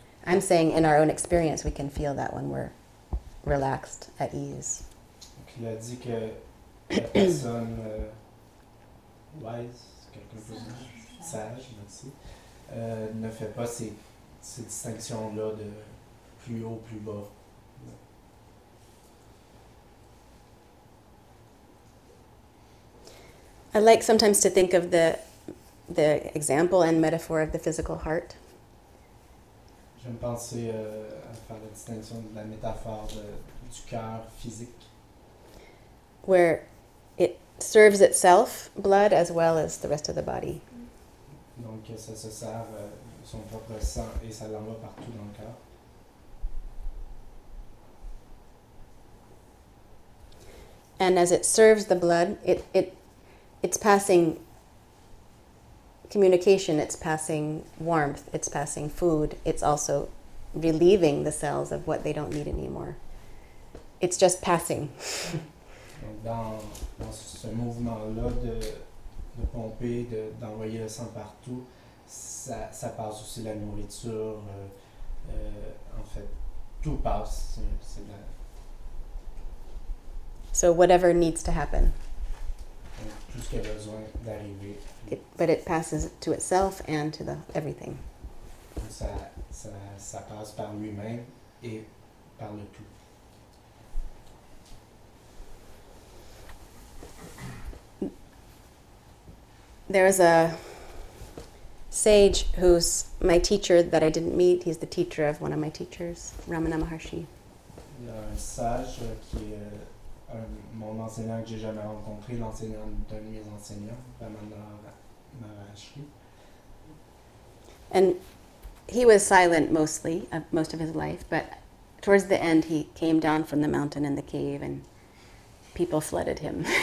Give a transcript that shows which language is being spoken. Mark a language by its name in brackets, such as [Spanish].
[English] I'm saying in our own experience we can feel that when we're relaxed, at ease. [French] Donc il a dit que la personne wise, quelqu'un plus sage, merci, ne fait pas ces distinctions-là de plus haut, plus bas. [English] I like sometimes to think of the example and metaphor of the physical heart. [French] J'aime penser à faire la distinction de la métaphore du cœur physique. [English] Where it serves itself, blood, as well as the rest of the body. [French] Donc ça se sert son propre sang et ça l'envoie partout dans le cœur. [English] And as it serves the blood, it's passing communication, it's passing warmth, it's passing food, it's also relieving the cells of what they don't need anymore. It's just passing. [French] dans ce mouvement-là de pomper, d'envoyer le sang partout, ça passe aussi la nourriture, en fait, tout passe. C'est la... [English] So whatever needs to happen. [French] Tout ce qu'il y a besoin d'arriver. [English] But it passes to itself and to the everything. [French] Ça passe par lui-même et par le tout. [English] There is a sage who's my teacher that I didn't meet. He's the teacher of one of my teachers, Ramana Maharshi. [French] Il y a un sage qui est mon enseignant que j'ai jamais rencontré, l'enseignant d'un de mes enseignants, Ramana Maharshi. [English] And he was silent mostly, most of his life, but towards the end he came down from the mountain in the cave and people flooded him.